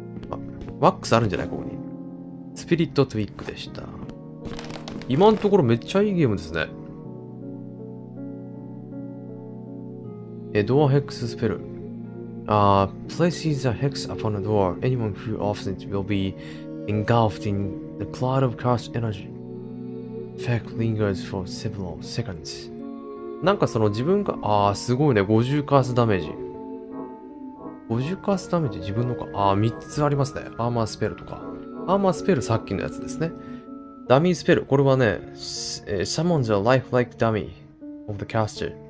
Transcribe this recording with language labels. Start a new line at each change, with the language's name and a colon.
Japanese: あ、ワックスあるんじゃない？ここに。スピリットトゥイックでした。今のところめっちゃいいゲームですね。
English: ドアヘックススペル。Places a hex upon a door. Anyone who opens it will be engulfed in the cloud of cursed energy. Effect lingers for several seconds.
Japanese: なんかその自分が、ああ、すごいね。50カースダメージ。50カースダメージ自分のか。ああ、3つありますね。アーマースペルとか。アーマースペルさっきのやつですね。ダミースペル。これはね、
English: summons a lifelike dummy of the caster.